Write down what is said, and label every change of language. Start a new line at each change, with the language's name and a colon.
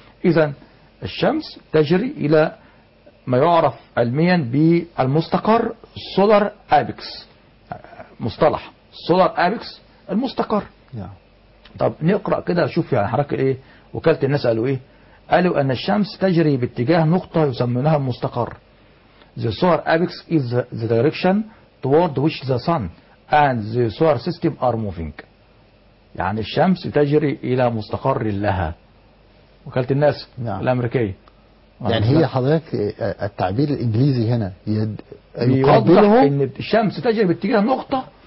Arabic: إذا الشمس تجري إلى ما يعرف علميا بالمستقر سولار ابيكس، مصطلح سولار ابيكس المستقر. yeah. طب نقرا كده شوف يعني حركة ايه. وكالة الناس قالوا ايه؟ قالوا ان الشمس تجري باتجاه نقطة يسمونها المستقر.
English: The solar apex is the direction toward which the sun and the solar system are moving.
Arabic: يعني الشمس تجري الى مستقر لها. وكالة الناس. yeah. الامريكية. يعني هي حضرتك التعبير الانجليزي هنا يقابله ان الشمس تجري باتجاه نقطة